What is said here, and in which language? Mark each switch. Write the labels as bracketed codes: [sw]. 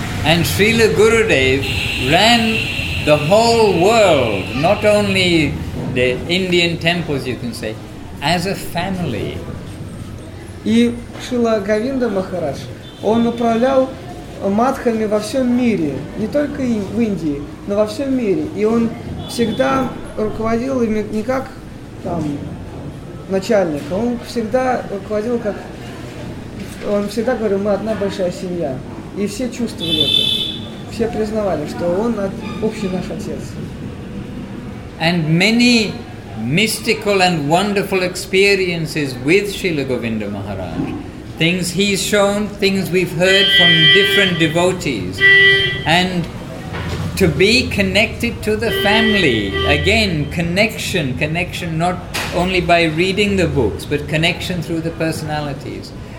[en] And Srila Gurudev ran the whole world, not only the Indian temples, you can say, as a family. [ru] И Шрила Говинда Махарадж, он управлял матхами во всем мире, не только в Индии, но во всем мире. И он всегда руководил ими не как там начальник, он всегда руководил как... Он всегда говорил, мы одна большая семья. И все чувствовали это. Все признавали, что он общий наш отец. [en] And many mystical and wonderful experiences with Srila Govinda Maharaj. Things he's shown, things we've heard from different devotees. And to be connected to the family, again, connection not only by reading the books, but connection through the personalities.